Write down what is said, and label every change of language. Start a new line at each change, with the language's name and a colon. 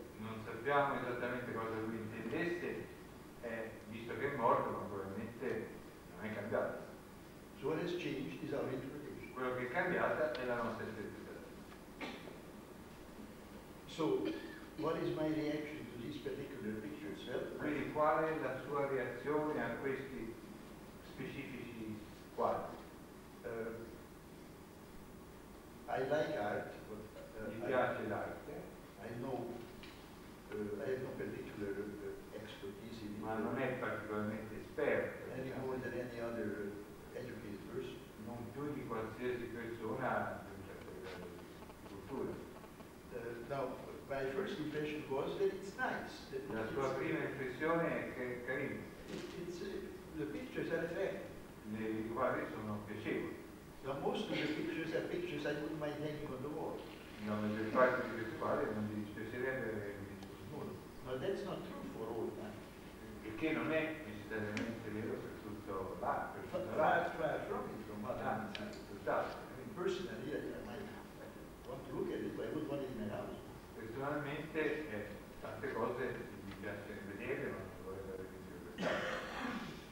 Italian: Esattamente cosa lui intendesse, visto che è morto, probabilmente non è cambiato.
English: So what has changed is our interpretation.
Italian: Quello che è cambiata è la nostra interpretazione.
English: So, what is my reaction to this particular picture? Well,
Italian: quindi qual è la sua reazione a questi specifici quadri?
English: I like art, but
Italian: mi piace l'arte.
English: I know. I have no particular expertise in it.
Italian: Ma non è particolarmente esperto.
English: Any more than any other educated person.
Italian: Non più di qualsiasi persona di un certo livello di cultura.
English: Now, my first impression was that it's nice. That
Italian: la sua prima impressione è che è carino.
English: The pictures are effective.
Italian: I quadri sono piacevoli.
English: Now, most of the pictures are pictures I wouldn't mind hanging on the wall.
Italian: La maggior parte di questi quadri non mi dispiacerebbe.
English: But that's not true for all time.
Italian: Perché non è necessariamente vero per tutto l'arte.
English: Personally, I might want to look at it, but I would want it in my house.
Italian: Personalmente, tante cose mi piace vedere, ma non vorrei avere in giro.